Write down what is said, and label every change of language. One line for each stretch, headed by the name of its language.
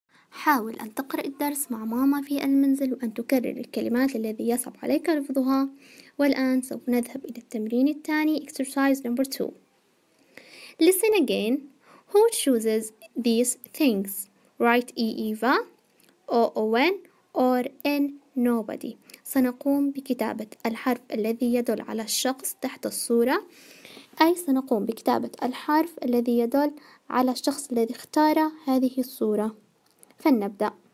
Arabic: حاول أن تقرأ الدرس مع ماما في المنزل وأن تكرر الكلمات الذي يصعب عليك لفظها. والآن سوف نذهب إلى التمرين الثاني.
English: Exercise number two. Listen again. Who chooses these things? Write E. Eva, O. Owen, or N. Nobody.
Arabic: سنقوم بكتابة الحرف الذي يدل على الشخص تحت الصورة، أي سنقوم بكتابة الحرف الذي يدل على الشخص الذي اختار هذه الصورة. فلنبدأ.